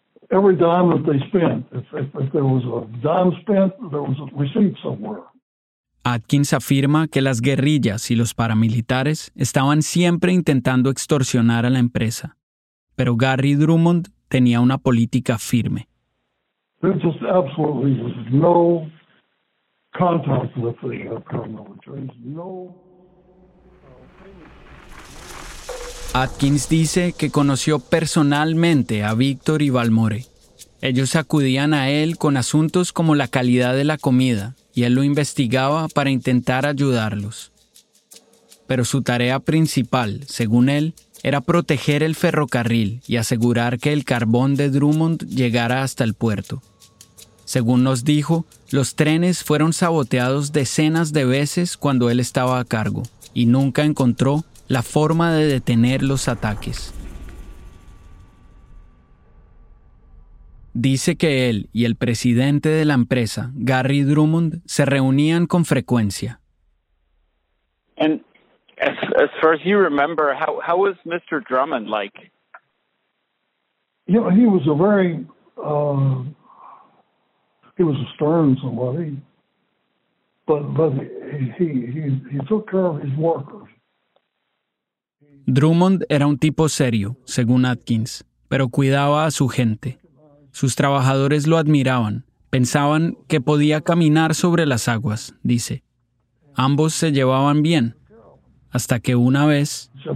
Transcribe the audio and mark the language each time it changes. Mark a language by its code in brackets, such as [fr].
[en] Every dime that they spent, if there was a dime spent, there was a receipt somewhere. [es] Atkins afirma que las guerrillas y los paramilitares estaban siempre intentando extorsionar a la empresa, pero Gary Drummond tenía una política firme. [en] There's just absolutely no contact with the paramilitary. No. [es] Atkins dice que conoció personalmente a Víctor y Valmore. Ellos acudían a él con asuntos como la calidad de la comida y él lo investigaba para intentar ayudarlos. Pero su tarea principal, según él, era proteger el ferrocarril y asegurar que el carbón de Drummond llegara hasta el puerto. Según nos dijo, los trenes fueron saboteados decenas de veces cuando él estaba a cargo y nunca encontró la forma de detener los ataques. Dice que él y el presidente de la empresa, Gary Drummond, se reunían con frecuencia. [en] And as far as you remember, how was Mr. Drummond like? You know, he was a very he was a stern somebody, but he took care of his workers. [es] Drummond era un tipo serio, según Atkins, pero cuidaba a su gente. Sus trabajadores lo admiraban, pensaban que podía caminar sobre las aguas, dice. Ambos se llevaban bien, hasta que una vez...